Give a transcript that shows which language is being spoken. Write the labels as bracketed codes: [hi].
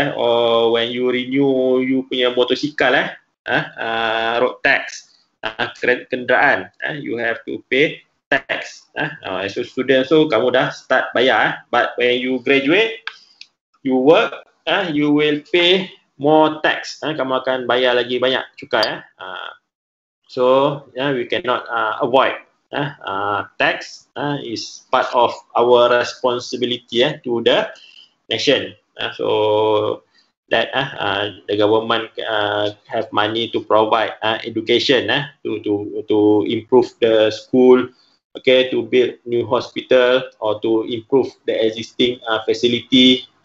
[en] Or when you renew you [ms] punya motosikal, [en] road tax, kenderaan, you have to pay tax. As a student, so [ms] kamu dah start bayar. [en] But when you graduate, you work, you will pay more tax. [ms] Kamu akan bayar lagi banyak cukai. [en] So we cannot avoid. Tax is part of our responsibility to the nation. So that the government have money to provide education to improve the school, okay, to build new hospital or to improve the existing facility.